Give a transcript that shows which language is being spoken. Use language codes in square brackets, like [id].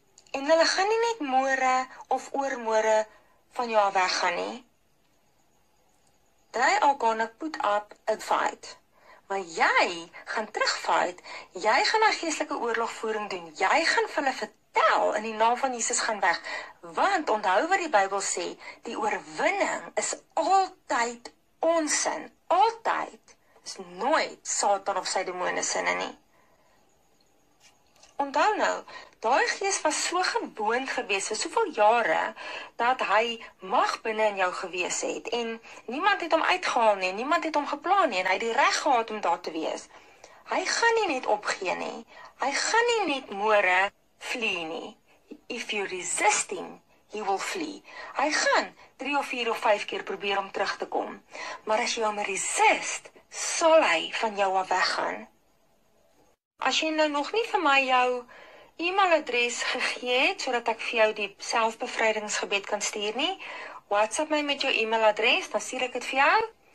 [af] En hulle gaan nie net môre of oormôre van jou weggaan nie. [en] They are gonna put up a fight. [af] Maar jy gaan terugfight, jy gaan 'n geestelike oorlogvoering doen, jy gaan vir hulle vertel in die naam van Jesus gaan weg. Want onthou wat die Bybel sê, die oorwinning is altyd onsin, altyd, is nooit Satan of sy demone sinne nie. Onthou nou, daai gees was so gewoond gewees vir soveel jare, dat hy mag binne in jou gewees het, en niemand het hom uitgehaal nie, niemand het hom geplan nie, en hy het die reg gehad om daar te wees. Hy gaan nie net opgee nie, hy gaan nie net môre vlie nie. [en] If you resist him, he will flee. [af] Hy gaan 3 of 4 of 5 keer probeer om terug te kom. Maar as jy hom resist, sal hy van jou af weggaan. As jy nou nog nie vir my jou e-mailadres gegee het, sodat ek vir jou die selfbevrydingsgebed kan stuur nie, WhatsApp my met jou e-mailadres, dan stuur ek het vir jou.